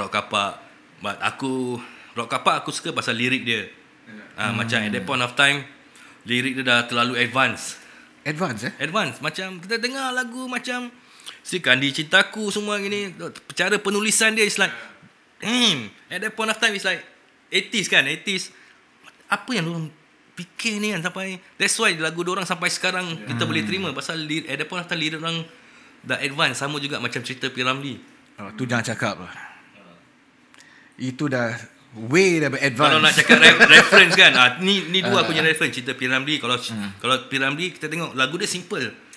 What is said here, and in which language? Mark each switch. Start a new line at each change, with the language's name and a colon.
Malay: Rock kapak. But aku, rock kapak aku suka pasal lirik dia. Macam
English: at that point of time,
Malay: lirik dia dah terlalu advance. Advance eh? Advance. Macam kita dengar lagu macam Si Kandi Cintaku semua gini. Cara penulisan dia
English: is like, at that point of time is like 80s kan? 80s.
Malay: Apa yang diorang fikir ni kan? Sampai, that's why lagu diorang sampai sekarang kita boleh terima. Pasal lirik,
English: at that point of time
Malay: lirik diorang dah advance. Sama juga macam cerita P. Ramli. Tu jangan cakap lah. Itu dah way dah advance. Kalau nak cakap reference kan, ni dua aku punya reference. Cerita P. Ramli, kalau P. Ramli, kita tengok lagu dia simple.